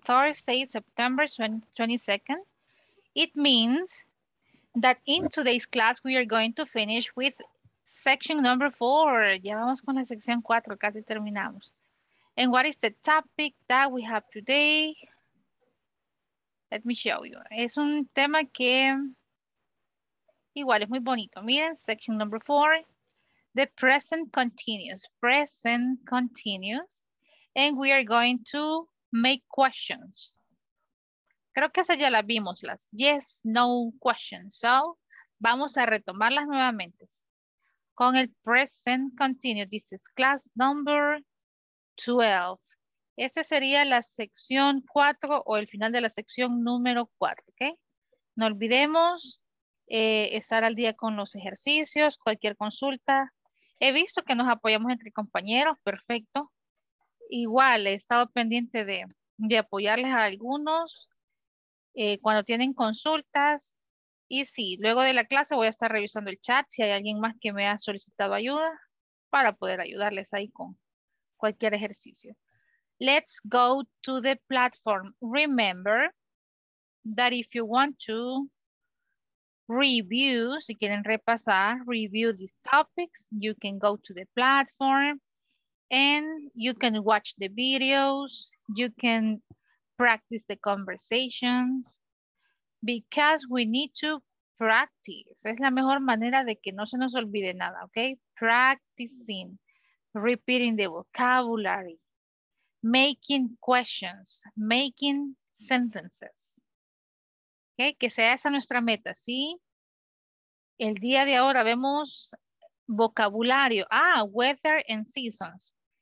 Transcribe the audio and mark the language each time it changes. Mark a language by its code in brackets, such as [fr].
[en] Thursday, September 22nd. It means that in today's class, we are going to finish with section number 4. [es] Ya vamos con la sección 4, casi terminamos. [en] And what is the topic that we have today? Let me show you. [es] Es un tema que igual es muy bonito. [en] Miren, section number 4. The present continuous. Present continuous. And we are going to make questions. [es] Creo que esa ya la vimos, las yes, no questions. So, vamos a retomarlas nuevamente. Con el present continuous. [en] This is class number 12. [es] Este sería la sección 4 o el final de la sección número 4, ¿ok? No olvidemos estar al día con los ejercicios, cualquier consulta. He visto que nos apoyamos entre compañeros, perfecto. Igual he estado pendiente de apoyarles a algunos cuando tienen consultas. Y sí, luego de la clase voy a estar revisando el chat si hay alguien más que me ha solicitado ayuda para poder ayudarles ahí con cualquier ejercicio. [en] Let's go to the platform. Remember that if you want to review, [es] si quieren repasar, [en] review these topics, you can go to the platform and you can watch the videos, you can practice the conversations because we need to practice. [es] Es la mejor manera de que no se nos olvide nada, okay? [en] Practicing, repeating the vocabulary. Making questions, making sentences. [es] Okay, que sea esa nuestra meta, ¿sí? El día de ahora vemos vocabulario. Ah, [en] weather and seasons.